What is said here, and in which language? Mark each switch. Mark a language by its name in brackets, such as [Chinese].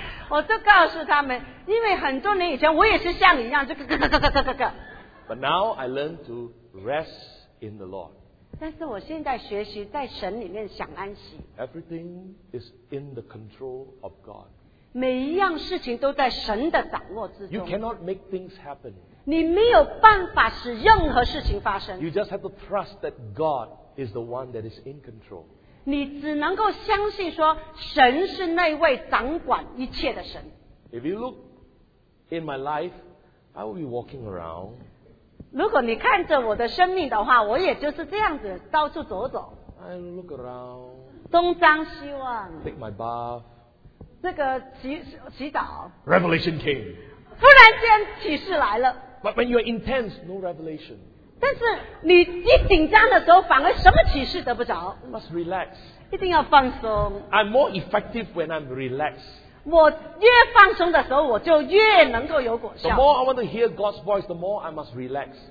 [Chinese] 我就告诉他们，因为很多年以前，我也是像你一样，就咯咯咯咯咯咯咯咯。 [English] But now I learn to rest in the Lord. [Chinese] 但是我现在学习在神里面享安息。 [English] Everything is in the control of God. You cannot make things happen. You just have to trust that God is the one that is in control. If you look in my life, I will be walking around. [Chinese] 如果你看着我的生命的话，我也就是这样子 到处走走。 [English] I look around. [Chinese] 东张西望。 [English] Take my bath. [Chinese] 这个洗澡。 [English] Revelation came. [Chinese] 忽然间启示来了。 [English] But when you are intense, no revelation. [Chinese] 但是你一紧张的时候，反而什么启示得不着。 [English] Must relax. [Chinese] 一定要放松。 [English] I'm more effective when I'm relaxed. [Chinese] 我越放松的时候，我就越能够有果效。 [English] The more I want to hear God's voice, the more I must relax.